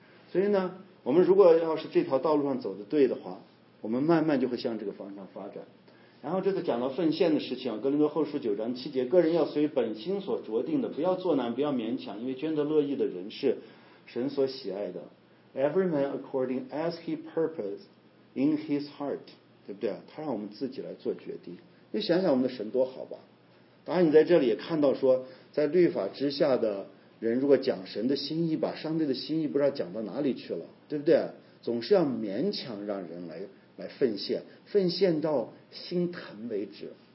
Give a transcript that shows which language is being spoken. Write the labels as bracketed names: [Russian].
[Chinese] 所以呢，我们如果要是这条道路上走得对的话，我们慢慢就会向这个方向发展。然后这次讲到奉献的事情，格林多后书九章七节，个人要随本心所酌定的，不要作难，不要勉强，因为捐得乐意的人是神所喜爱的。 [English] Every man according as he purposed in his heart， [Chinese] 对不对？他让我们自己来做决定。你想想我们的神多好吧。当然你在这里也看到说，在律法之下的人如果讲神的心意，把上帝的心意不知道讲到哪里去了，对不对？总是要勉强让人来奉献，奉献到心疼为止。